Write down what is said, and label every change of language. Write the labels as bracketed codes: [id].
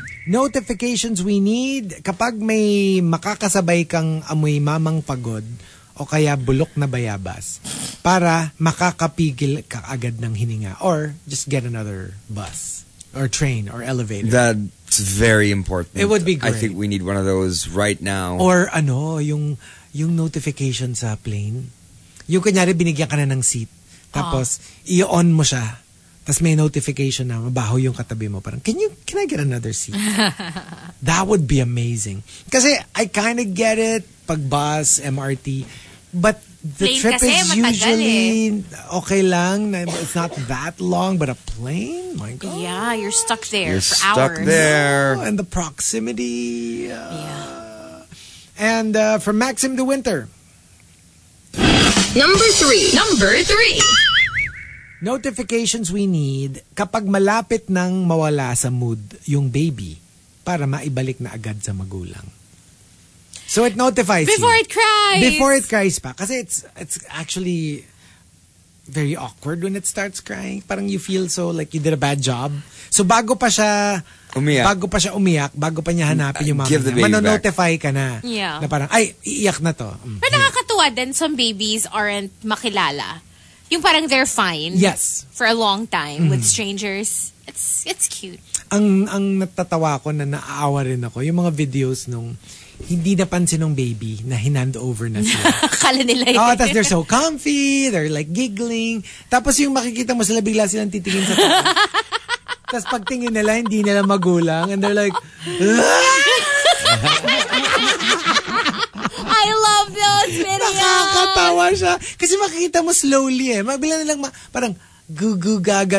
[en] Notifications we need [tl] kapag may makakasabay kang amoy mamang pagod o kaya bulok na bayabas para makakapigil ka agad ng hininga [en] or just get another bus or train or elevator. That's very important. It would be great. I think we need one of those right now. [tl] Or ano, yung notification sa plane. Yung kunyari binigyan ka na ng seat tapos i-on mo siya. Tapos may notification na mabaho yung katabi mo. Parang, [en] can I get another seat? That would be amazing. [tl] Kasi [en] I kind of get it, [tl] pag [en] bus, MRT. But The plane trip is usually okay lang. It's not that long, but a plane? My God. Yeah, you're stuck there for hours. You're stuck there. Oh, and the proximity. Yeah. And from Maxim to Winter. Number three. Notifications we need [tl] kapag malapit nang mawala sa mood yung baby para maibalik na agad sa magulang. [en] So it notifies before it cries. Before it cries pa. Kasi it's actually very awkward when it starts crying. [tl] Parang [en] you feel so like you did a bad job. [tl] So bago pa siya umiyak. Bago pa siya umiyak, bago pa niya hanapin yung mama niya. Mano-notify ka na. [en] Yeah. [tl] Na parang, ay, iiyak na to. Pero nakakatuwa din, [en] some babies aren't [tl] makilala. Yung parang [en] they're fine. Yes. For a long time with strangers. It's cute. [tl] Ang natatawa ko na naaawa rin ako, yung mga videos nung hindi napansin ng baby na hinandover na sila. Kala nila yun. [en] Oh, [tl] tapos [en] they're so comfy. They're like giggling. [tl] Tapos yung makikita mo sila, bigla silang titingin sa tao. Tapos pagtingin nila, hindi nila magulang. [en] And they're like, I love those videos. [tl] Nakakatawa siya. Kasi makikita mo slowly eh. Bila nilang parang gugugaga.